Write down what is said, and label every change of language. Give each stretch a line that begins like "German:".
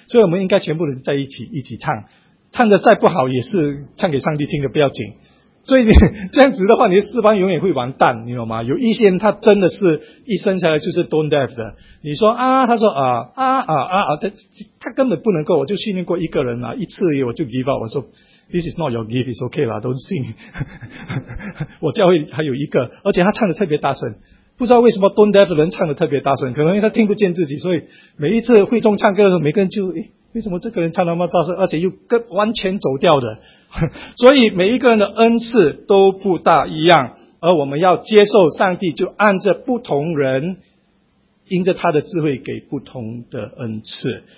Chinese: 所以我们应该全部人在一起唱，唱的再不好也是唱给上帝听的，不要紧。所以你这样子的话，你的诗班永远会完蛋，你懂吗？有一些人他真的是一生下来就是 tone deaf 的，你说啊，他说啊啊啊啊啊，他根本不能够。我就训练过一个人啊，一次我就
English: give up，
Chinese: 我说
English: This is not your gift, it's okay
Chinese: 啦，
English: don't sing。
Chinese: 我教会还有一个，而且他唱的特别大声，不知道为什么 tone deaf 的人唱的特别大声，可能因为他听不见自己，所以每一次会中唱歌的时候，每个人就为什么这个人唱那么大声，而且又跟完全走调的。所以每一个人的恩赐都不大一样，而我们要接受上帝就按着不同人因着他的智慧给不同的恩赐。